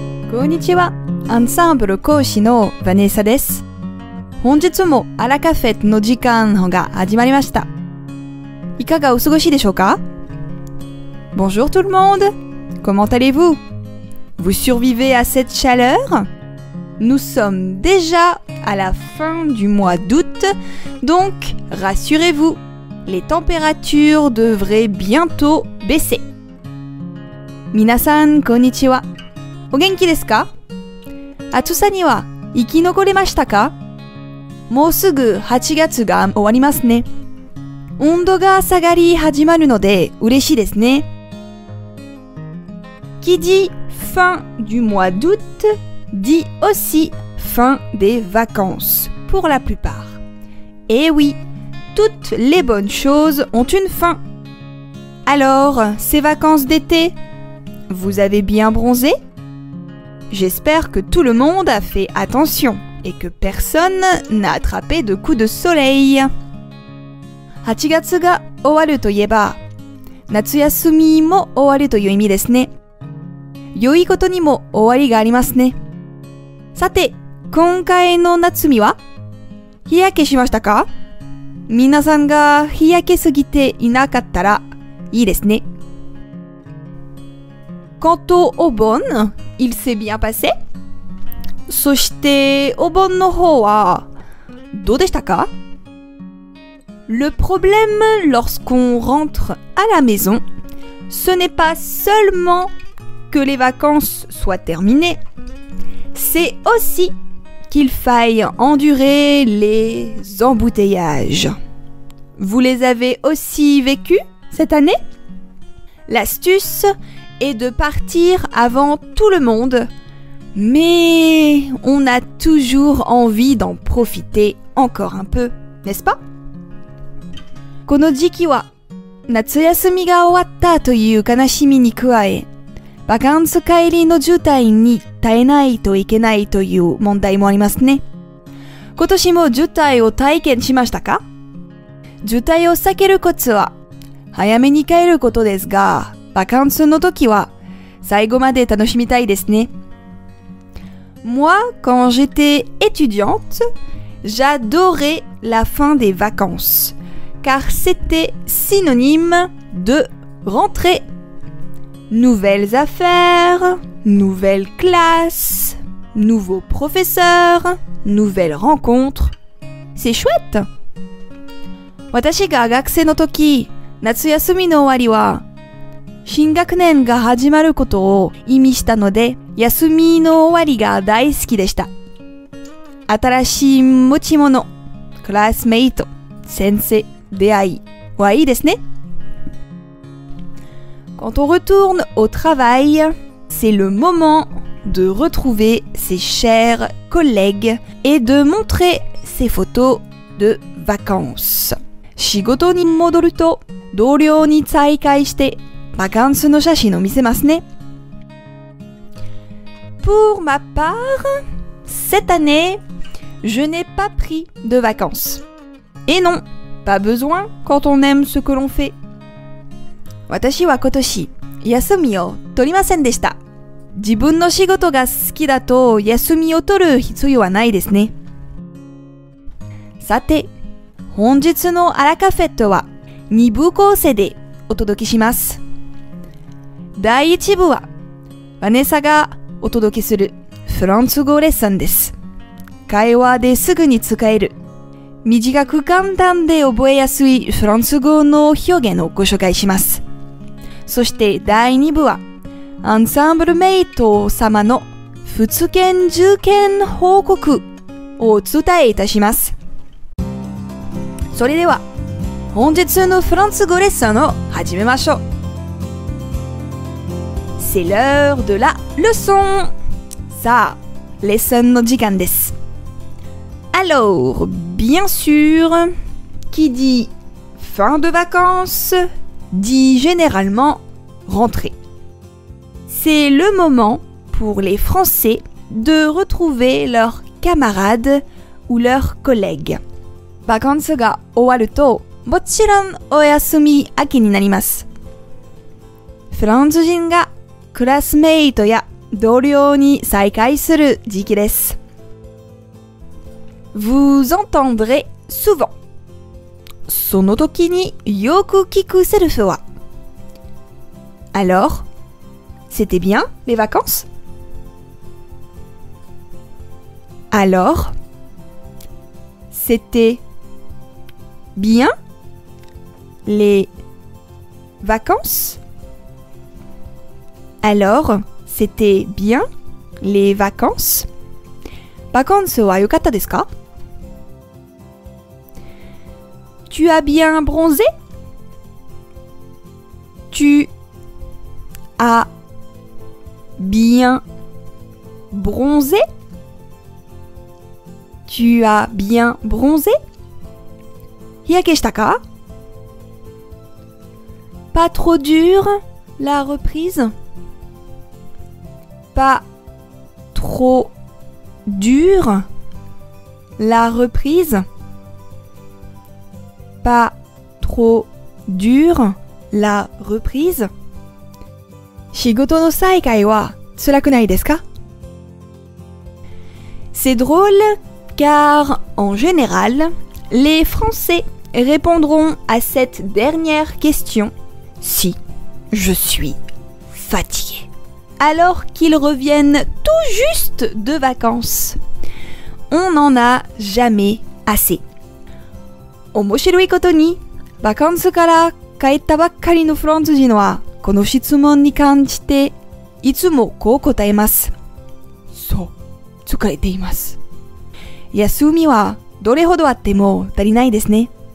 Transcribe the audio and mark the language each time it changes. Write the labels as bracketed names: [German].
[Japanese] こんにちは、アンサンブル講師のバネッサです。本日もアラカフェの時間が始まりました。いかがお過ごしでしょうか？ [French] Bonjour tout le monde! Comment allez-vous? Vous survivez à cette chaleur? Nous sommes déjà à la fin du mois d'août, donc rassurez-vous, les températures devraient bientôt baisser. [Japanese] 皆さん、こんにちは。お元気ですか？暑さには生き残れましたか？もうすぐ8月が終わりますね。温度が下がり始まるので嬉しいですね。 [French] Qui dit fin du mois d'août dit aussi fin des vacances pour la plupart. Et oui, toutes les bonnes choses ont une fin. Alors, ces vacances d'été, vous avez bien bronzé? J'espère que tout le monde a fait attention et que personne n'a attrapé de coup de soleil. [Japanese] 8月が終わるといえば、夏休みも終わるという意味ですね。良いことにも終わりがありますね。さて、今回の夏休は？日焼けしましたか？皆さんが日焼けすぎていなかったらいいですね。 [French] Quant au bon, il s'est bien passé? [Japanese] そして、お盆の方はどうでしたか？ [French] Le problème lorsqu'on rentre à la maison, ce n'est pas seulement que les vacances soient terminées, c'est aussi qu'il faille endurer les embouteillages. Vous les avez aussi vécus cette année? L'astuce est de partir avant tout le monde, mais on a toujours envie d'en profiter encore un peu, n'est-ce pas? [Japanese] この時期は夏休みが終わったという悲しみに加え、バカンス帰りの渋滞に耐えないといけないという問題もありますね。今年も渋滞を体験しましたか？渋滞を避けるコツは早めに帰ることですが、バカンスの時は最後まで楽しみたいですね。 [French] Moi, quand j'étais étudiante, j'adorais la fin des vacances. Car c'était synonyme de rentrée. Nouvelles affaires, nouvelles classes, nouveaux professeurs, nouvelles rencontres. C'est chouette! [Japanese] 私が学生の時、夏休みの終わりは、新学年が始まることを意味したので、休みの終わりが大好きでした。新しい持ち物、クラスメイト、先生、出会いはいいですね。 [French] Quand on retourne au travail, c'est le moment de retrouver ses chers collègues et de montrer ses photos de vacances. [Japanese] 仕事に戻ると、同僚に再会して、バカンスの写真を見せますね。 [French] Pour ma part, cette année, je n'ai pas pris de vacances. Et non! Pas besoin quand on aime ce que l'on fait. [Japanese] 私は今年休みを取りませんでした。自分の仕事が好きだと休みを取る必要はないですね。さて、本日のアラカフェットは2部構成でお届けします。第1部はバネサがお届けするフランス語レッスンです。会話ですぐに使える短く簡単で覚えやすいフランス語の表現をご紹介します。そして第2部はアンサンブルメイト様の普通研受験報告をお伝えいたします。それでは本日のフランス語レッスンを始めましょう。 [French] C'est l'heure de la leçon。 [Japanese] さあレッスンの時間です。 [French] Alors bien sûr, qui dit fin de vacances dit généralement rentrée. C'est le moment pour les Français de retrouver leurs camarades ou leurs collègues. [Japanese] Vacances が終わるともちろんお休み明けになります。フランス人がクラスメイトや同僚に再会する時期です。 [French] Vous entendrez souvent. [Japanese] その時によく聞くセルフは。 [French] Alors, c'était bien les vacances? Alors, c'était bien les vacances? Alors, c'était bien les vacances? [Japanese] Vacances は良かったですか? [French] Tu as bien bronzé? Tu as bien bronzé? Tu as bien bronzé? [Japanese] 日焼けしたか? [French] Pas trop dur la reprise? Pas trop dur la reprise? Pas trop dur la reprise? [Japanese] 仕事の再会は辛くないですか? [French] C'est drôle car en général les Français répondront à cette dernière question si je suis fatigué alors qu'ils reviennent tout juste de vacances. On n'en a jamais assez. [Japanese] 面白いことに、バカンスから帰ったばっかりのフランス人はこの質問に感じていつもこう答えます。そう、疲れています。休みはどれほどあっても足りないですね。